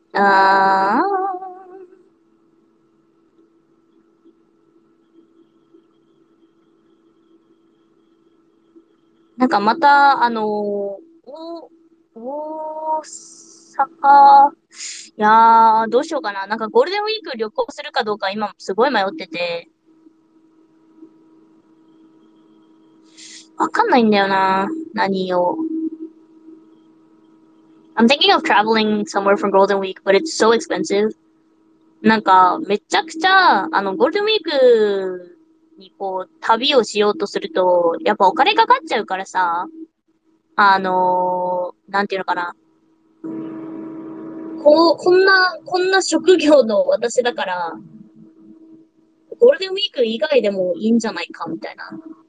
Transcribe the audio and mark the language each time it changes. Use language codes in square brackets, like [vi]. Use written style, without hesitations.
[ja] なんかまた、大阪、いやーどうしようかな。なんかゴールデンウィーク旅行するかどうか今すごい迷ってて、わかんないんだよな、何を。 [en] I'm thinking of traveling somewhere for Golden Week, but it's so expensive. [ja] なんかめちゃくちゃゴールデンウィークにこう旅をしようとするとやっぱお金かかっちゃうからさ、なんていうのかな。こんな職業の私だから、ゴールデンウィーク以外でもいいんじゃないか、みたいな。